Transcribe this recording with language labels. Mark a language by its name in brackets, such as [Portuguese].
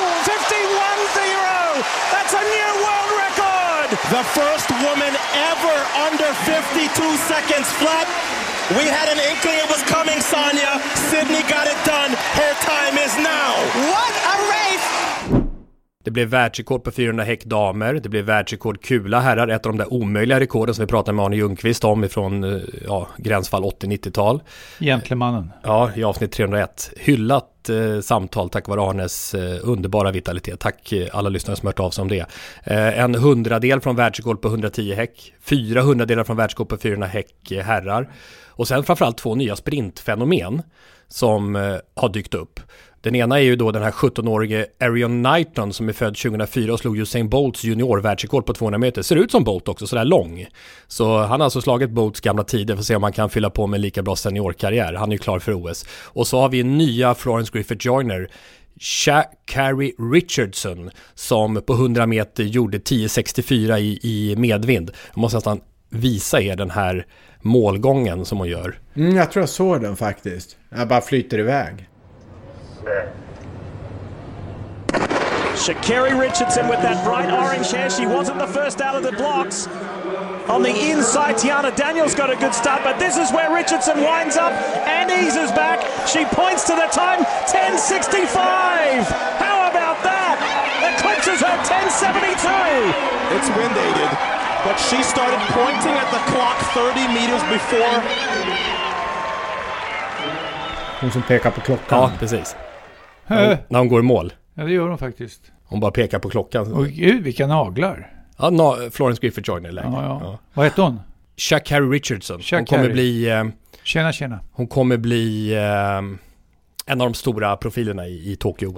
[English] 52-51-0. That's a new world record. The first woman ever under 52 seconds flat. We had an inkling it was coming, Sonia. Sydney got it done. Her time is now. What a race! [Swedish] Det blev världsrekord på 400 häck damer. Det blev världsrekord kula herrar. Ett av de där omöjliga rekorden som vi pratade med Arne Ljungqvist om från ja, gränsfall 80-90-tal. Gentlemannen. Ja, i avsnitt 301. Hyllat samtal tack vare Arnes underbara vitalitet. Tack alla lyssnare som hört av sig om det. En hundradel från världsrekord på 110 häck. 400 delar från världsrekord på 400 häck herrar. Och sen framförallt två nya sprintfenomen som har dykt upp. Den ena är ju då den här 17-årige Arion Knighton som är född 2004 och slog Usain Bolts juniorvärldsrekord på 200 meter. Ser ut som Bolt också, sådär lång. Så han har alltså slagit Bolts gamla tider för att se om han kan fylla på med lika bra seniorkarriär. Han är ju klar för OS. Och så har vi nya Florence Griffith Joyner, Shaqari Richardson, som på 100 meter gjorde 10.64 i medvind. Jag måste nästan visa er den här målgången som hon gör. Mm, jag tror jag såg den faktiskt. Jag bara flyter iväg. [English] Shaqari Richardson with that bright orange hair. She wasn't the first out of the blocks. On the inside, Tiana Daniels got a good start, but this is where Richardson winds up and eases back. She points to the time, 10.65. How about that? Eclipses her 10.72. It's wind-aided, but she started pointing at the clock 30 meters before. [Swedish] Hon som pekar på klockan. Ja, precis. När hon går i mål. Ja, det gör hon faktiskt. Hon bara pekar på klockan. Åh gud, vilka naglar. Ja, Florence Griffith Joyner längre. Ja. Vad heter hon? Shaqari Richardson. Shaqari. Hon kommer bli... Tjena. Hon kommer bli en av de stora profilerna i Tokyo.